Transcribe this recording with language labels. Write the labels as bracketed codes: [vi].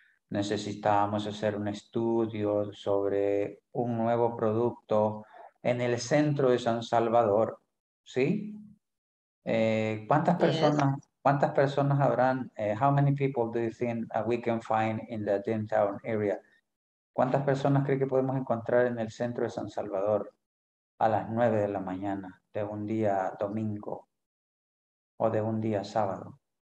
[es] Necesitamos hacer un estudio sobre un nuevo producto en el centro de San Salvador, ¿sí? ¿Cuántas personas? ¿Cuántas personas habrán? [en] How many people do you think we can find in the downtown area? [es] ¿Cuántas personas cree que podemos encontrar en el centro de San Salvador a las 9 de la mañana de un día domingo o de un día sábado?